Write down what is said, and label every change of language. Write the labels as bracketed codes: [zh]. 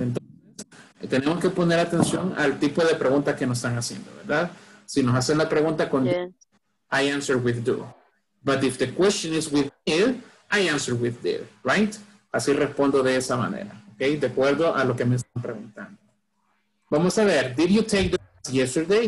[es] Entonces, tenemos que poner atención al tipo de pregunta que nos están haciendo, ¿verdad? Si nos hacen la pregunta con [en] yeah. I answer with do. But if the question is with did, I answer with did, right? [es] Así respondo de esa manera, okay? De acuerdo a lo que me están preguntando. Vamos a ver, [en] did you take the bus yesterday?